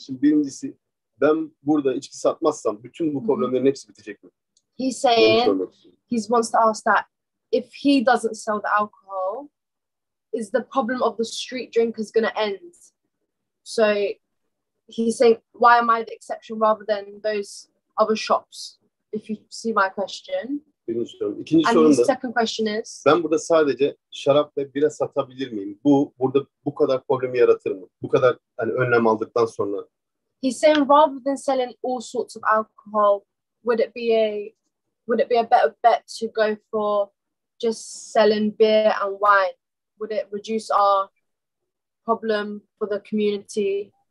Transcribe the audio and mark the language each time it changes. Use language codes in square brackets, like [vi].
[tr] Şimdi birincisi, ben burada içki satmazsam bütün bu problemlerin hepsi bitecek mi? [en] He's saying he wants to ask that if he doesn't sell the alcohol, is the problem of the street drinkers going to end? So he's saying, why am I the exception rather than those other shops? If you see my question. Second question is, [tr] ben burada sadece şarap ve bira satabilir miyim? Bu burada bu kadar problemi yaratır mı? Bu kadar hani önlem aldıktan sonra. [en] He's saying rather than selling all sorts of alcohol, would it be a better bet to go for just selling beer and wine? Would it reduce our problem for the community?